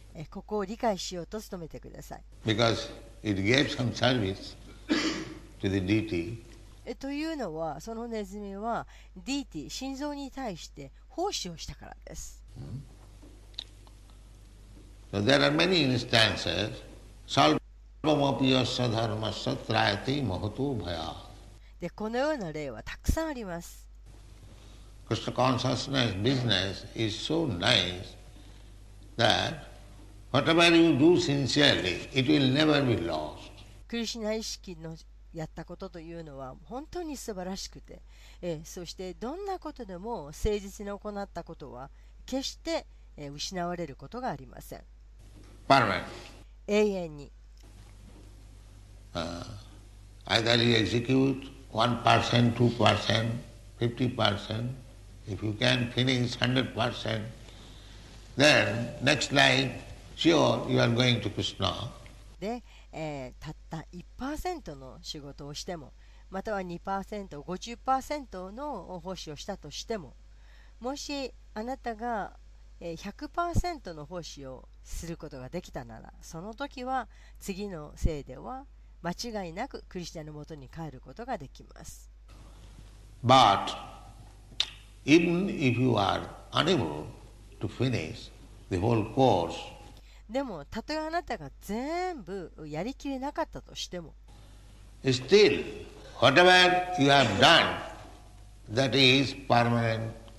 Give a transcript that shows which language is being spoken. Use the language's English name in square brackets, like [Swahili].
[Japanese] ここを理解しようと努めてください。 [English] Because it gave some service to the deity. [Japanese] というのは、そのネズミは DT、心臓に対して奉仕をしたからです。 [English] So there are many instances. [Sanskrit] Salpamapiyasya dharmasya trayate mahato bhaya. [Japanese] で、このような例はたくさんあります。 [English] Krishna consciousness business is so nice that whatever you do sincerely, it will never be lost. [Japanese] クリシナ意識のやったことというのは本当に素晴らしくて、そしてどんなことでも誠実に行ったことは決して、失われることがありません。 [English] パーメント [Japanese] 永遠に。 [English] Either you execute 1%, 2%, 50%, if you can finish 100%, then next life, sure, you are going to Krishna. [Japanese] で、たった 1% の仕事をしても、または 2%、50% の奉仕をしたとしても、もしあなたが 100% の奉仕をすることができたなら、その時は次の生では間違いなくクリシュナのもとに帰ることができます。 [English] But even if you are unable to finish the whole course, [Japanese] でも、たとえあなたが全部やりきれなかったとしても、 [English] still, whatever you have done, that is permanent.